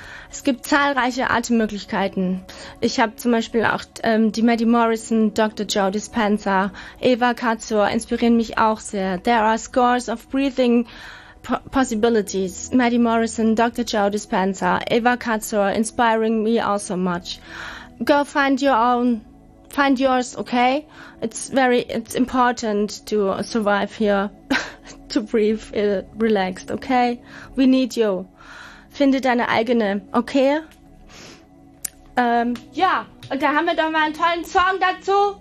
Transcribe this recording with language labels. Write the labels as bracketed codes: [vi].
[de] Es gibt zahlreiche Atemmöglichkeiten. Ich habe zum Beispiel auch die Maddie Morrison, Dr. Joe Dispenza, Eva Katsur inspirieren mich auch sehr. [en] There are scores of breathing possibilities. Maddie Morrison, Dr. Joe Dispenza, Eva Katsur inspiring me also much. Go find your own. Find yours, okay? It's important to survive here, to breathe relaxed, okay? We need you. [de] Finde deine eigene, okay? Ja, und da haben wir doch mal einen tollen Song dazu.